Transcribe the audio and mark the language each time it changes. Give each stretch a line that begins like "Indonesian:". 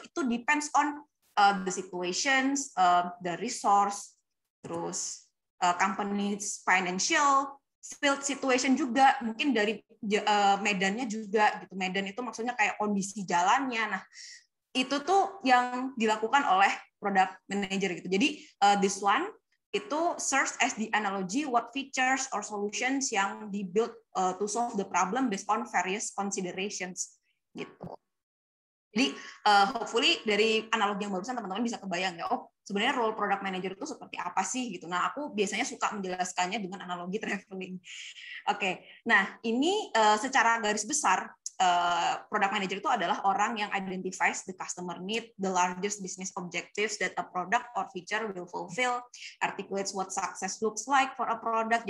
English: Itu depends on the situations, the resource, terus company's financial,
Indonesian: field situation juga, mungkin dari medannya juga gitu. Medan itu maksudnya kayak kondisi jalannya. Nah, itu tuh yang dilakukan oleh product manager gitu.
English: Jadi this one itu serves as the analogy what features or solutions yang dibuild to solve the problem based on various considerations gitu.
Indonesian: Jadi hopefully dari analogi yang barusan teman-teman bisa kebayang ya, oh sebenarnya role product manager itu seperti apa sih gitu. Nah, aku biasanya suka menjelaskannya dengan analogi traveling.
English: Oke. Nah, ini secara garis besar product manager itu adalah orang yang identifies the customer need, the largest business objectives that a product or feature will fulfill, articulates what success looks like for a product.